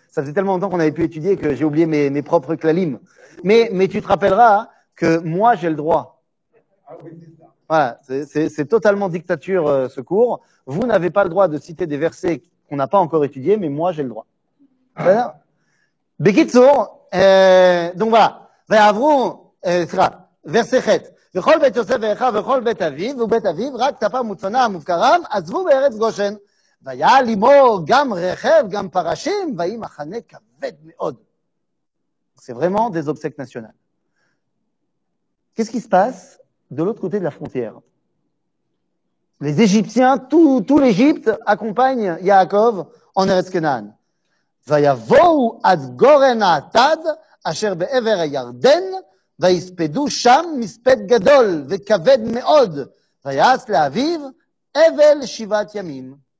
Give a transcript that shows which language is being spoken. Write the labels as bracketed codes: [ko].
[fr] Ça faisait tellement longtemps qu'on avait pu étudier que j'ai oublié mes propres klalim. Mais tu te rappelleras que moi, j'ai le droit. Voilà, c'est totalement dictature ce cours. Vous n'avez pas le droit de citer des versets qu'on n'a pas encore étudiés, mais moi, j'ai le droit. Bekitsour, donc voilà. [he] ועברו, סליחה, ורסכת, וכל בית יוסף ואחיו וכל בית אביו ובית אביו, רק טפם מוצנם ובקרם, עזבו בארץ גושן, והיה לימו גם רכב, גם פרשים, והיה מחנה כבד מאוד. [fr] C'est vraiment des obsèques nationales. Qu'est-ce qui se passe de l'autre côté de la frontière? Les Égyptiens, tout l'Égypte accompagne Yaakov en Eretz Kenan. [he] ויבואו עד גורן העתד, אשר בעבר הירדן, ויספדו שם מספד גדול וכבד מאוד, ויעש לאביו אבל שבעת ימים.